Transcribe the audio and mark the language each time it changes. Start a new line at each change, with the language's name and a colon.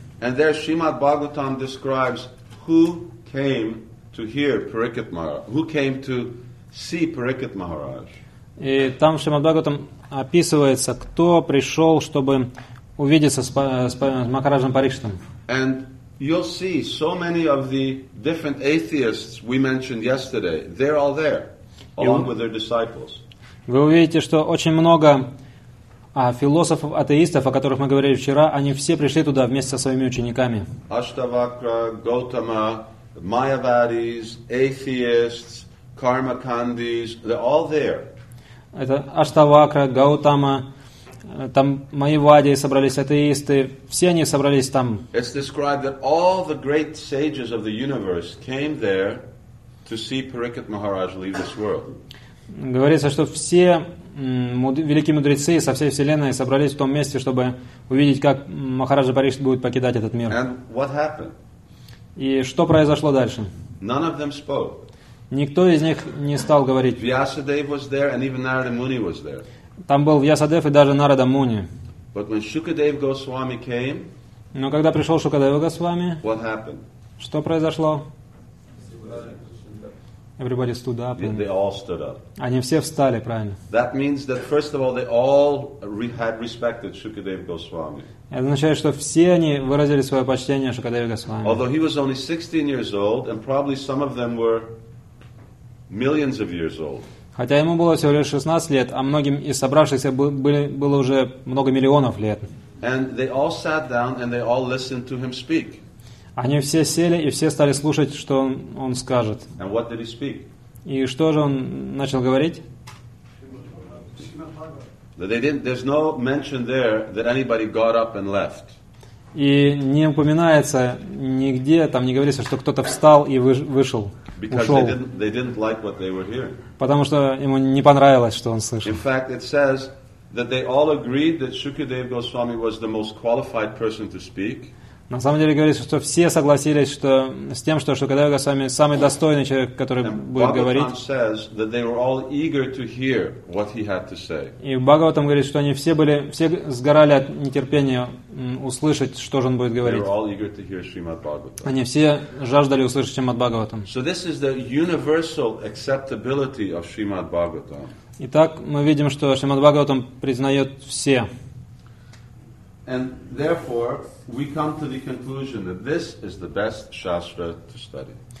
English: And there Shrimad Bhagavatam describes who came to hear Parikshit Maharaj, who came to see Parikshit Maharaj.
Russian: И там Шримад Бхагаватам описывается, кто пришел, чтобы увидеться с Махараджем Парикшитом.
English: And you'll see so many of the different atheists we mentioned yesterday. They're all there, along with their disciples.
Russian: Вы увидите, что очень много философов-атеистов, о которых мы говорили вчера, они все пришли туда вместе со своими учениками.
English: Аштавакра, Гаутама, Майявадис, atheists, Кармакандис, they're all there.
Russian: Это Аштавакра, Гаутама, там мои вади собрались, атеисты, все они собрались там.
English: It's described that all the great sages of the universe came there to see Parikshit Maharaj leave this world.
Russian: Говорится, что все великие мудрецы со всей вселенной собрались в том месте, чтобы увидеть, как Махараджа Парикшит будет покидать этот мир.
English: And what happened?
Russian: И что произошло дальше?
English: None of them spoke.
Russian: Никто из них не стал говорить.
English: Vyasadeva was there, and even Narada Muni was there.
Russian: Там был Вьясадев и даже Нарада Муни.
English: But when Shukadeva Goswami came,
Russian: но когда пришел Шукадева Госвами,
English: what happened?
Russian: Что произошло?
English: Everybody stood up. And they all stood up.
Russian: Они все встали, правильно?
English: That means that first of all they all had respected Shukadeva Goswami.
Russian: Это означает, что все они выразили свое почтение Шукадеве Госвами.
English: Although he was only 16 years old, and probably some of them were millions of years old.
Russian: Хотя ему было всего лишь 16 лет, а многим из собравшихся было уже много миллионов лет.
English: And they all sat down and they all listened to him speak.
Russian: Они все сели и все стали слушать, что он скажет.
English: And what did he speak?
Russian: И что же он начал говорить?
English: They didn't, there's no mention there that anybody got up and left.
Russian: И не упоминается нигде, там не говорится, что кто-то встал и вышел.
English: Because they didn't like what they were hearing.
Russian: Потому что ему не понравилось, что он слышал.
English: In fact, it says that they all agreed that Shukadeva Goswami was the most qualified person to speak.
Russian: На самом деле говорится, что все согласились, что с тем, что Шукадева Госвами самый достойный человек, который будет говорить.
English: Bhagavatam says that they were all eager to hear what he had to say.
Russian: И Бхагаватам говорит, что они все были, все сгорали от нетерпения услышать, что же он будет говорить.
English: They were all eager to hear Shrimad Bhagavatam.
Russian: Они все жаждали услышать Шримад Бхагаватам.
English: So this is the universal acceptability of Shrimad Bhagavatam.
Russian: Итак, мы видим, что Шримад Бхагаватам признает все.
English: And therefore, we come to the conclusion that this is the best shastra to study.